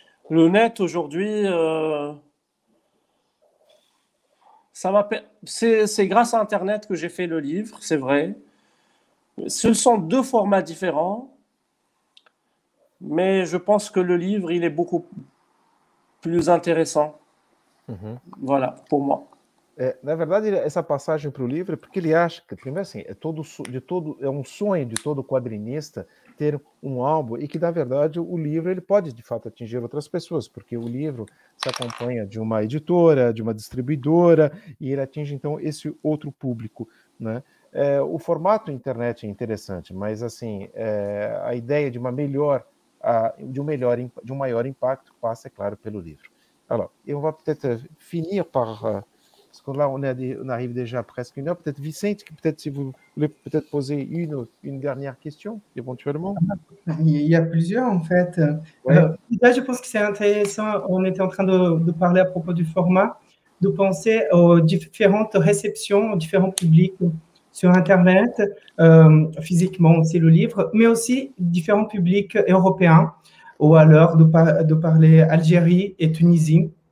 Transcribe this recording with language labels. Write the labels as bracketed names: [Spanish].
[French] Le net, aujourd'hui, c'est grâce à Internet que j'ai fait le livre, c'est vrai. Ce sont deux formats différents, mais je pense que le livre, il est beaucoup plus intéressant. Voilà, pour moi. [Portuguese] Na verdade, essa passagem para o livro é porque ele acha que, primeiro assim, é um sonho de todo quadrinista ter um álbum e que, na verdade, o livro ele pode, de fato, atingir outras pessoas, porque o livro se acompanha de uma editora, de uma distribuidora, e ele atinge, então, esse outro público. Né? O formato internet é interessante, mas assim, a ideia de um maior impacto passa, é claro, pelo livro. [French] Alors, eu vou peut-être finir par... Parce que là, on arrive déjà à presque une heure. Peut-être Vicente, peut-être si vous voulez peut-être poser une dernière question, éventuellement. Il y a plusieurs, en fait. Ouais. Là, je pense que c'est intéressant. On était en train de parler à propos du format, de penser aux différentes réceptions, aux différents publics sur Internet, physiquement aussi le livre, mais aussi différents publics européens, ou alors de parler Algérie et Tunisie.